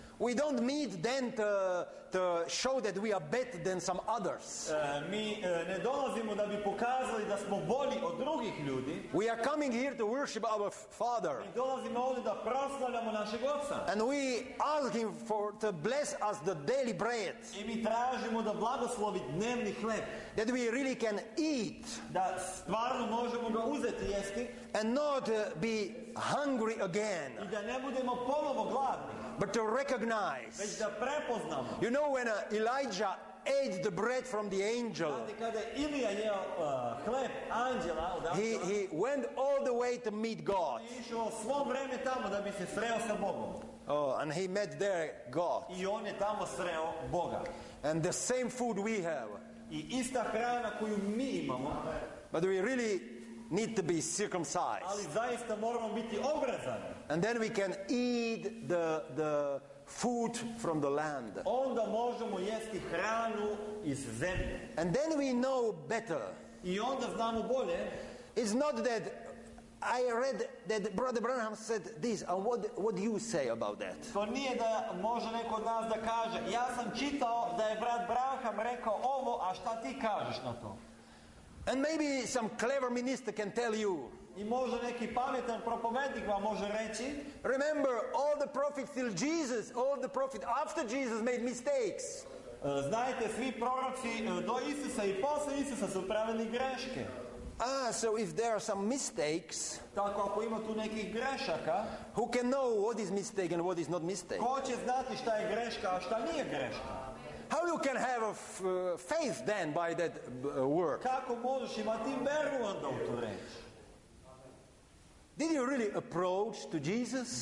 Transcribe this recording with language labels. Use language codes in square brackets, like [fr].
[en] We don't meet then to show that we are better than some others. [sr] Ne dolazimo da bi pokazali da smo bolji od drugih ljudi. [en] We are coming here to worship our Father. [sr] Mi dolazimo ovdje da proslavljamo našeg Oca. [en] And we ask him for to bless us the daily bread. [sr] I mi tražimo da blagoslovi dnevni hleb. [en] That we really can eat. [sr] Da stvarno možemo ga uzeti jesti. [en] And not be hungry again. [sr] I da ne budemo ponovo gladni. [en] But to recognize. [sr] Već da prepoznamo. [en] You know when Elijah ate the bread from the angel. [sr] Kada Ilija jeo hleb anđela od angela. [en] He went all the way to meet God. [sr] I išao svo vreme tamo da bi se sreo sa Bogom. [en] Oh, and he met there God. [sr] I on je tamo sreo Boga. [en] And the same food we have. [sr] I ista hrana koju mi imamo. [en] But we really need to be circumcised. [sr] Ali zaista moramo biti obrezani. [en] And then we can eat the food from the land. [sr] Onda možemo jesti hranu iz zemlje. [en] And then we know better. [sr] I onda znamo bolje. [en] It's not that I read that Brother Branham said this, and what do you say about that? [sr] To nije da može neko od nas da kaže, ja sam čitao da je brat Branham rekao ovo, a šta ti kažeš na to? [en] And maybe some clever minister can tell you. [sr] I možda neki pametan propovednik vam može reći. [en] Remember, all the prophets till Jesus, all the prophets after Jesus made mistakes. [sr] Znajte, svi proroci do Isusa i posle Isusa su pravili greške. [en] So if there are some mistakes, [sr] tako ako ima tu nekih grešaka, [en] who can know what is mistake and what is not mistake? [sr] Ko će znati šta je greška, a šta nije greška? [en] How you can have a faith then by that work? [sr] Kako možeš imati veru onda u tu reč? [en] Did you really approach to Jesus?